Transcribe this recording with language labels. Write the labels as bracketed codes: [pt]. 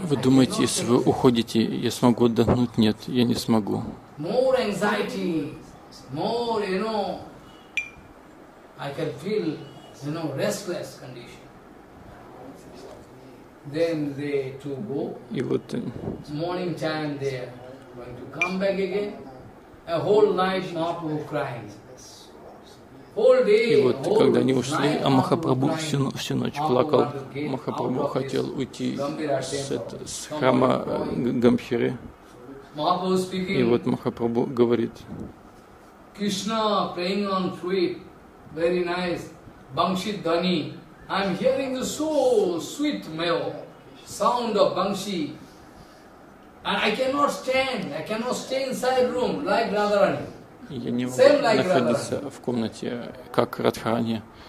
[ru] вы думаете, если вы уходите, я смогу отдохнуть? Нет, я не смогу. [en] More anxiety, more, you know, I can feel, you know, restless condition. Then they to go. [ru] И вот [en] morning time there. Going to come back again. A whole night Mahaprabhu crying. [ru] И вот, когда они ушли, а Махапрабху всю ночь плакал. Махапрабху хотел уйти с храма Гамбхиры. И вот Махапрабху говорит. [en] Кришна playing on flute, very nice. Bangshit Dhani. I'm hearing the so sweet male sound of Bangshi. And I cannot stand. I cannot stay inside room like Radharani. [ru] Я не могу [en] Same [ru] находиться [en] like [ru] в комнате, как Радхарани.